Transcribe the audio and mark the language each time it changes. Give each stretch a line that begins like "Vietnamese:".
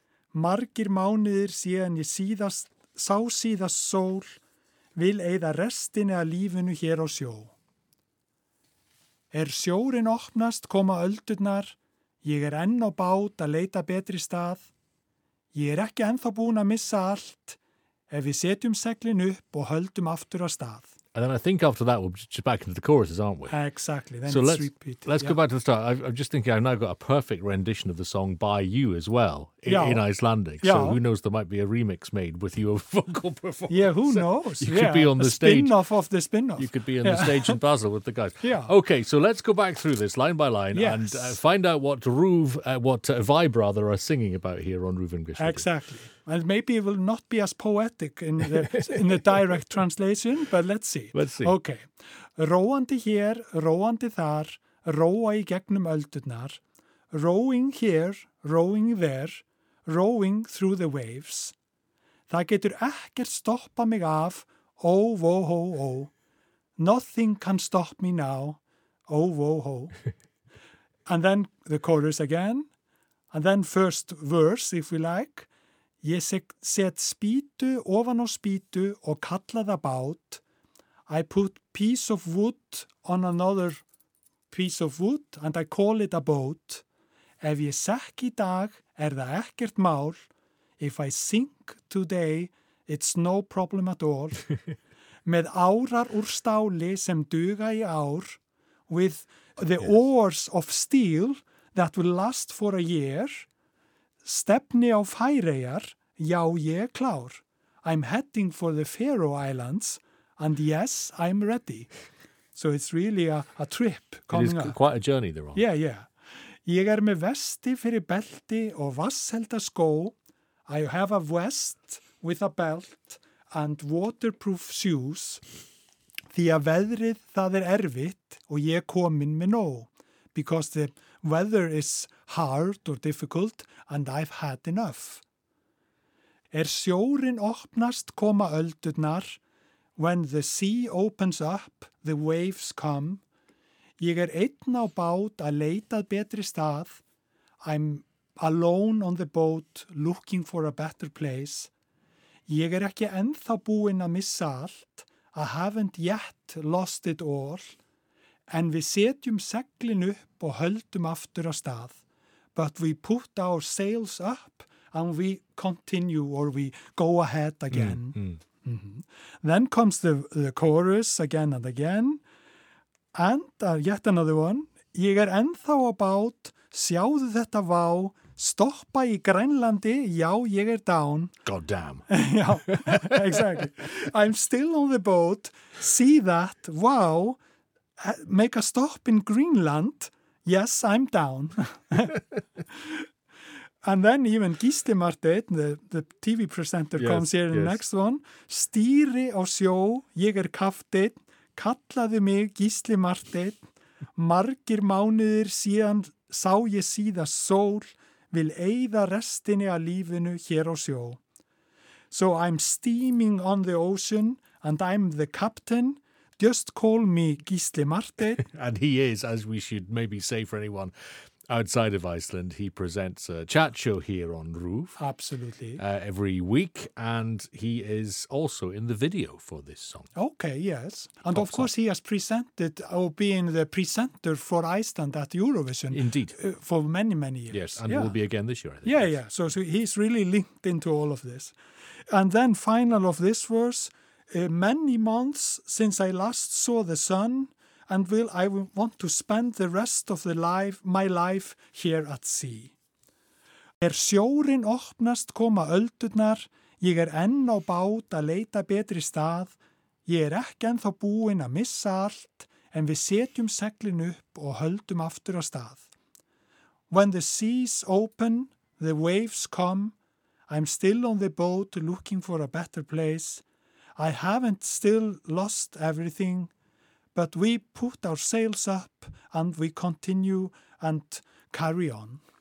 Icelandic: Margir mánuðir síðan ég sá síðast sól, vil eyða restinni að lífinu hér á sjó. Sjórinn opnast, koma öldurnar, ég enn á bát að leita betri stað. Ég ekki ennþá búin að missa allt, Ef við setjum seglin upp og höldum aftur á stað.
English: And then I think after that we're just back into the choruses, aren't we? Exactly. Then so let's go back to the start. I'm just thinking I've now got a perfect rendition of the song by you as well in Icelandic. Yeah. So who knows, there might be a remix made with your vocal performance. Yeah, who knows? You could be on the stage. Spin-off of the spin-off. You could be on the stage in Basel with the guys. Yeah. Okay, so let's go back through this line by line and find out what RÚV, Vibe rather, are singing about here on RÚV English. Exactly. And maybe it will not be as poetic in the direct translation, but let's see. Let's see. Okay.
Icelandic: Róandi hér, róandi þar, róa í gegnum öldurnar.
English: Rowing here, rowing there, rowing through the waves.
Icelandic: Það getur ekkert stoppa mig af, ó, vó, hó, ó.
English: Nothing can stop me now, ó, vó, hó. And then the chorus again. And then first verse, if we like.
Icelandic: Ég set spýtu ofan á spýtu og kallaða bát.
English: I put piece of wood on another piece of wood and I call it a boat.
Icelandic: Ef ég sekk í dag, það ekkert mál.
English: If I sink today, it's no problem at all.
Icelandic: Með árar úr stáli sem duga í ár.
English: With the oars of steel that will last for a year.
Icelandic: Stefni á Færeyjar, já ég klár.
English: I'm heading for the Faroe Islands and yes, I'm ready. So it's really a trip coming up. It is quite a journey there on. Yeah, yeah.
Icelandic: Ég með vesti fyrir belti og vasshelda skó.
English: I have a vest with a belt and waterproof shoes.
Icelandic: Því að veðrið það erfitt og ég komin með nóg.
English: Because the weather is hard or difficult and I've had enough.
Icelandic: Sjórin opnast koma öldurnar.
English: When the sea opens up, the waves come.
Icelandic: Ég einn á bát að leita betri stað.
English: I'm alone on the boat looking for a better place.
Icelandic: Ég ekki ennþá búin að missa allt.
English: I haven't yet lost it all.
Icelandic: En við setjum seglin upp og höldum aftur á stað.
English: But we put our sails up and we continue or we go ahead again. Then comes the chorus again and again. And yet another one.
Icelandic: Ég ennþá á bát, sjáðu þetta vá, stoppa í Grænlandi, já, ég down.
English: God damn. Já, exactly. I'm still on the boat, see that, wow, make a stop in Greenland, yes, I'm down. And then even Gísli Marteinn, the TV presenter, yes, comes here in the next one.
Icelandic: Stýri á sjó, ég kaftinn. Kallaðu mig Gísli Marteinn, margir mánuðir síðan sá ég síða sól, vil eyða restinni að lífinu hér á sjó.
English: So I'm steaming on the ocean and I'm the captain, just call me Gísli Marteinn. And he is, as we should maybe say for anyone outside of Iceland, he presents a chat show here on Roof. Absolutely. Every week, and he is also in the video for this song. Okay, yes. And of course, he has presented or been the presenter for Iceland at Eurovision. Indeed. For many, many years. Yes, and will be again this year, I think. Yeah, yeah. So he's really linked into all of this. And then final of this verse, many months since I last saw the sun, and I want to spend the rest of my life here at sea.
Icelandic: Sjórin opnast koma öldurnar, ég enn á bát að leita betri stað, ég ekki ennþá búin að missa allt, en við setjum seglin upp og höldum aftur á stað.
English: When the seas open, the waves come, I'm still on the boat looking for a better place, I haven't still lost everything, but we put our sails up and we continue and carry on.